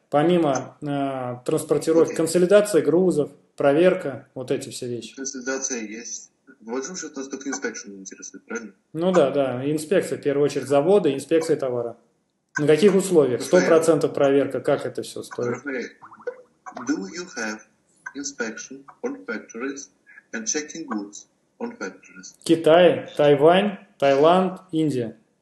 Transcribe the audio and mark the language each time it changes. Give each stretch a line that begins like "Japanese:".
Russian: Помимо транспортировки, okay. консолидации грузов, проверка, вот эти все вещи. Консолидация есть. Вот же у нас только инспекшн интересует, правильно? Ну да, да. Инспекция, в первую очередь, завода, инспекция товара. На каких условиях? 100% проверка, как это все стоит?
English: Okay. Do you have inspection on factories and checking goods on factories?
Russian: Китай, Тайвань, Таиланд, Индия.